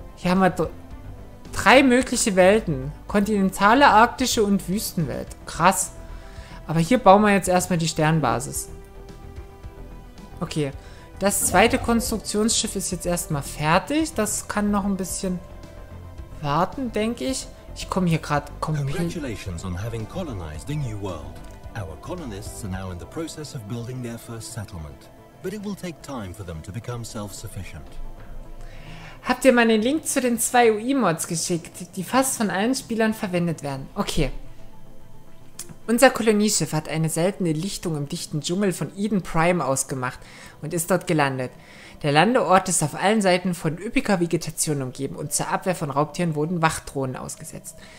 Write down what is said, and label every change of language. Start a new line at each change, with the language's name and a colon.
German: Hier haben wir drei mögliche Welten. Kontinentale, arktische und Wüstenwelt. Krass. Aber hier bauen wir jetzt erstmal die Sternbasis. Okay. Das zweite Konstruktionsschiff ist jetzt erstmal fertig. Das kann noch ein bisschen warten, denke ich. Ich komme hier gerade komplett.
English: Congratulations on having colonized the new world. Our colonists are now in the process of building their first settlement. But it will take time for them to become self-sufficient.
German: Habt ihr mal den Link zu den 2 UI-Mods geschickt, die fast von allen Spielern verwendet werden? Okay. Unser Kolonieschiff hat eine seltene Lichtung im dichten Dschungel von Eden Prime ausgemacht und ist dort gelandet. Der Landeort ist auf allen Seiten von üppiger Vegetation umgeben und zur Abwehr von Raubtieren wurden Wachtdrohnen ausgesetzt.